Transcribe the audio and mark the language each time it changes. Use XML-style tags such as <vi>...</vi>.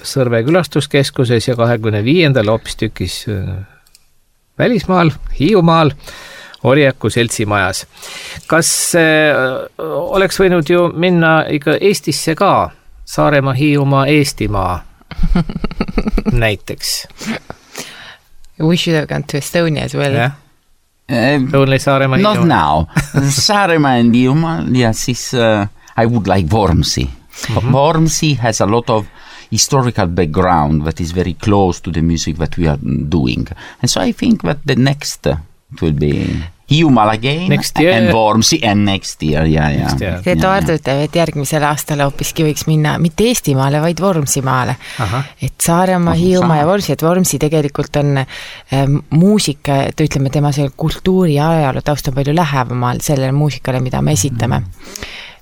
<et>Sõrve külastuskeskuses ja 25. hoopis tükis välismaal, Hiiumaal. Orjaku seltsimajas. Kas oleks võinud ju minna ikka Eestisse ka, Saarema, Hiiuma, Eestimaa näiteks?</et> <en>We should have gone to Estonia as well. Yeah. Only Saarema, not Hiiuma. Now. Saarema and Hiiuma, yes, is, I would like Vormsi. Mm-hmm. Vormsi has a lot of historical background that is very close to the music that we are doing. And so I think that the next it will be Hiiuma again next year. And Vormsi and next year. Yeah, yeah. Next year.</en> <et>See, Eduard ütleb, et järgmisel aastal hoopiski võiks minna mitte Eestimaale, vaid Vormsimaale. Aha. Et Saarema, Hiiuma ja Vormsi, et Vormsi tegelikult on muusika, et ütleme tema seal kultuuri ajalu taust on palju lähevamal sellele muusikale, mida me esitame. Mm-hmm.</et>